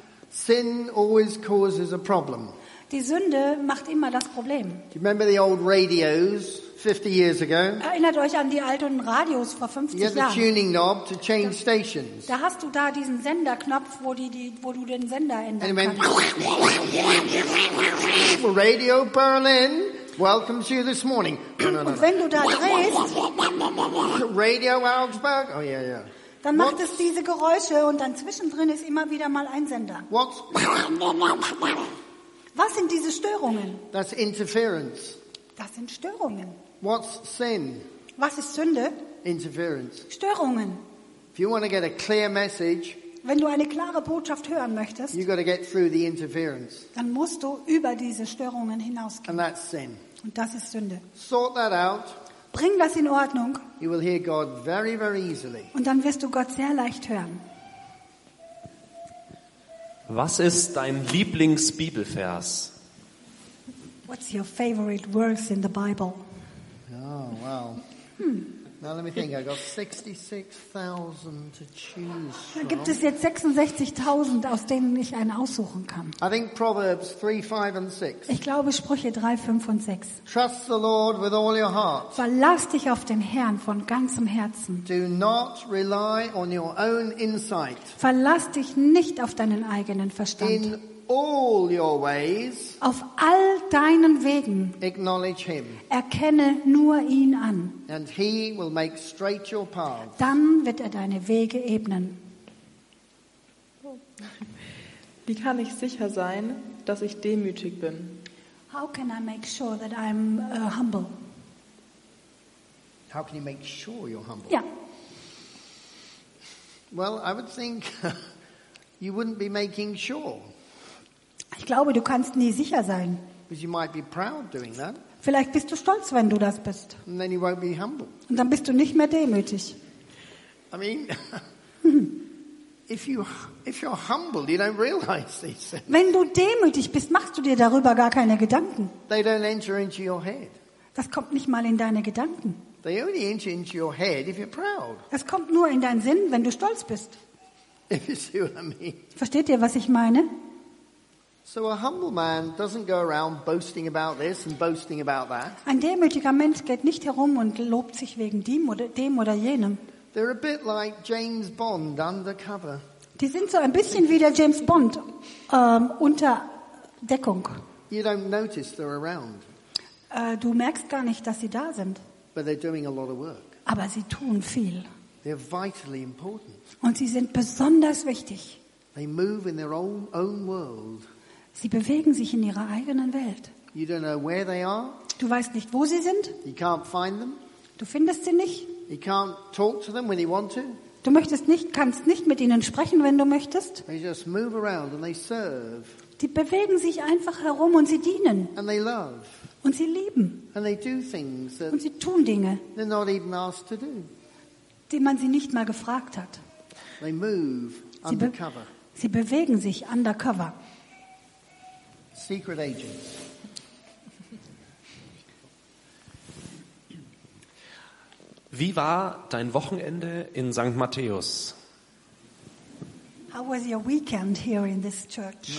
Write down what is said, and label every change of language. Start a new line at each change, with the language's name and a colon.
English: Sin always causes a problem.
German: Die Sünde macht immer das Problem.
English: Do you remember the old radios 50 years ago?
German: Erinnert euch an die alten Radios vor 50 Jahren?
English: You had the tuning knob to change stations.
German: Da hast du da diesen Senderknopf, wo du den Sender ändern kannst.
English: Radio Berlin welcomes you this morning.
German: Und wenn du da drehst,
English: Radio Augsburg. Oh yeah, yeah.
German: Dann macht es diese Geräusche und dann zwischendrin ist immer wieder mal ein Sender. Was sind diese Störungen?
English: That's interference.
German: Das sind Störungen.
English: What's sin?
German: Was ist Sünde?
English: Interference.
German: Störungen.
English: If you want to get a clear message,
German: wenn du eine klare Botschaft hören möchtest,
English: you got to get through the interference.
German: Dann musst du über diese Störungen hinausgehen.
English: And that's sin.
German: Und das ist Sünde.
English: Sort that out.
German: Bring das in Ordnung.
English: You will hear God very, very easily.
German: Und dann wirst du Gott sehr leicht hören. Was ist dein Lieblingsbibelvers?
English: What's your favorite verse in the Bible? Oh, wow. Now let me think. I got 66,000 to choose from.
German: Da gibt es jetzt 66,000, aus denen ich einen aussuchen kann.
English: I think Proverbs 3, 5 and 6.
German: Ich glaube Sprüche 3, 5 und 6.
English: Trust the Lord with all your heart.
German: Verlass dich auf den Herrn von ganzem Herzen.
English: Do not rely on your own insight.
German: Verlass dich nicht auf deinen eigenen Verstand.
English: In all your ways.
German: Auf all deinen Wegen.
English: Acknowledge him.
German: Erkenne nur ihn an.
English: And he will make straight your path.
German: Dann wird er deine Wege ebnen. Wie kann ich sicher sein, dass ich demütig bin?
English: How can I make sure that I'm humble? How can you make sure you're humble? Yeah. Well, I would think you wouldn't be making sure.
German: Ich glaube, du kannst nie sicher sein.
English: You might be proud doing that.
German: Vielleicht bist du stolz, wenn du das bist.
English: And then you won't be humble.
German: Und dann bist du nicht mehr demütig.
English: I mean, if you're humble, you don't realize these things.
German: Wenn du demütig bist, machst du dir darüber gar keine Gedanken.
English: They don't enter into your head.
German: Das kommt nicht mal in deine Gedanken.
English: They only enter into your head if you're proud.
German: Das kommt nur in deinen Sinn, wenn du stolz bist.
English: If you see what I mean.
German: Versteht ihr, was ich meine?
English: So a humble man doesn't go around boasting about this and boasting about that.
German: Ein demütiger Mensch geht nicht herum und lobt sich wegen dem oder jenem.
English: They're a bit like James Bond undercover.
German: Die sind so ein bisschen wie der James Bond unter Deckung.
English: You don't notice they're around.
German: Du merkst gar nicht, dass sie da sind.
English: But they're doing a lot of work.
German: Aber sie tun viel.
English: They're vitally important.
German: Und sie sind besonders wichtig.
English: They move in their own world.
German: Sie bewegen sich in ihrer eigenen Welt.
English: You don't know where they are.
German: Du weißt nicht, wo sie sind.
English: You can't find them.
German: Du findest sie nicht.
English: You can't talk to them when you want to.
German: Du möchtest nicht, kannst nicht mit ihnen sprechen, wenn du möchtest.
English: They just move around and they serve.
German: Die bewegen sich einfach herum und sie dienen.
English: And they love.
German: Und sie lieben.
English: And they do things that
German: und sie tun Dinge,
English: they're not even asked to do.
German: Die man sie nicht mal gefragt hat.
English: They move undercover.
German: Sie bewegen sich undercover.
English: Secret agents.
German: Wie war dein Wochenende in St. Matthäus?
English: How was your weekend here in this church?